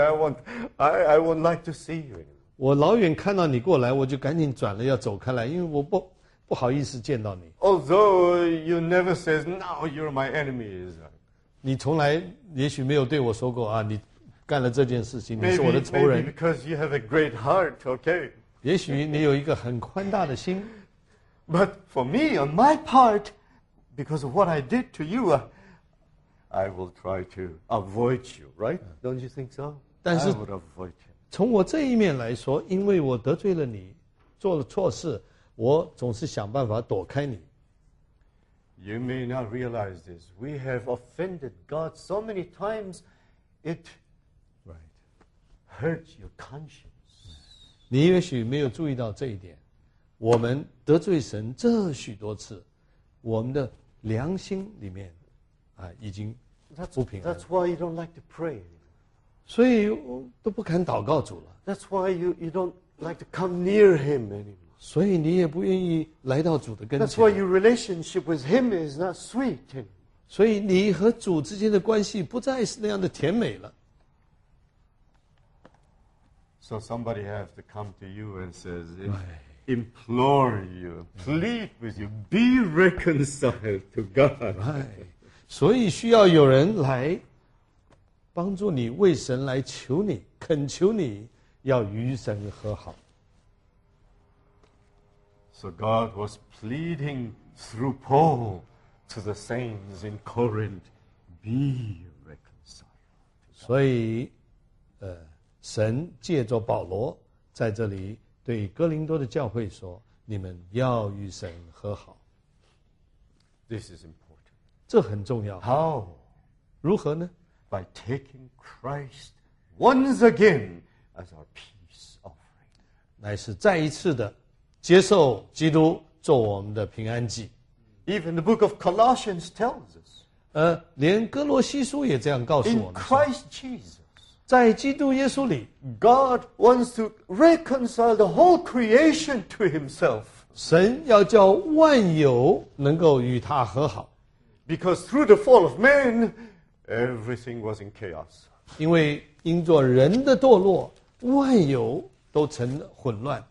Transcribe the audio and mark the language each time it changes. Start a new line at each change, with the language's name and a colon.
English: I won't like to see you.
Chinese: 我老远看到你过来，我就赶紧转了要走开来，因为我不。不好意思见到你。
English: Although you never says, now you're my enemy.
Chinese: 你从来也许没有对我说过啊，你干了这件事情，你是我的仇人。
English: Maybe because you have a great heart, okay?
Chinese: 也许你有一个很宽大的心。
English: But for me, on my part, because of what I did to you, I will try to avoid you, right? Don't you think so?
Chinese: 但是
English: I would avoid you.
Chinese: 从我这一面来说，因为我得罪了你，做了错事。我总是想办法躲开你。
English: You may not realize this. We have offended God so many times, it right hurts your conscience.
Chinese: 你也许没有注意到这一点。我们得罪神这许多次，我们的良心里面啊已经不平衡。
English: That's why you don't like to pray.
Chinese: 所以我都不敢祷告主了。
English: That's why you don't like to come near Him anymore.
Chinese: 所以你也不愿意来到主的跟前。
English: That's why your relationship with him is not sweet.
Chinese: 所以你和主之间的关系不再是那样的甜美了。
English: So somebody has to come to you and says, implore you, plead with you, be reconciled to God.
Chinese: 所以需要有人来帮助你，为神来求你，恳求你要与神和好。
English: So God was pleading through Paul to the saints in Corinth, be reconciled.
Chinese: 所以，神借着保罗在这里对哥林多的教会说：“你们要与神和好。”
English: This is important.
Chinese: 这很重要。
English: How?
Chinese: 如何呢？
English: By taking Christ once again as our peace offering.
Chinese: 乃是再一次的。接受基督做我们的平安祭。
English: Even the book of Colossians tells us.
Chinese: 连哥罗西书也这样告诉我们。
English: In Christ Jesus.
Chinese: 在基督耶稣里。
English: God wants to reconcile the whole creation to himself.
Chinese: 神要叫万有能够与他和好。
English: Because through the fall of man, everything was in chaos.
Chinese: 因为因着人的堕落，万有都成混乱。